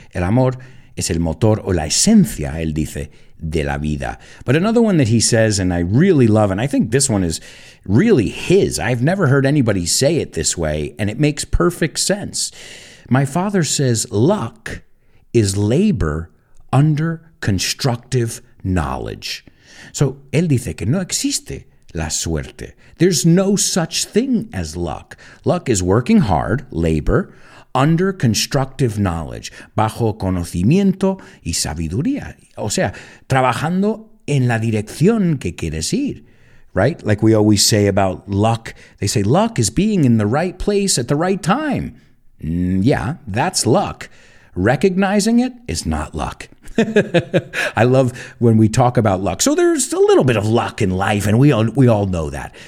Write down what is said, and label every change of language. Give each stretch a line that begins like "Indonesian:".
Spanish: El amor es el motor o la esencia, él dice, de la vida.
English: But another one that he says, and I really love, and I think this one is really his. I've never heard anybody say it this way, and it makes perfect sense. My father says, luck is labor under constructive knowledge.
Spanish: So, él dice que no existe la suerte.
English: There's no such thing as luck. Luck is working hard, labor, under constructive knowledge,
Spanish: bajo conocimiento y sabiduría. O sea, trabajando en la dirección que quieres ir.
English: Right? Like we always say about luck. They say luck is being in the right place at the right time. Yeah, that's luck. Recognizing it is not luck. I love when we talk about luck. So there's a little bit of luck in life, and we all know that.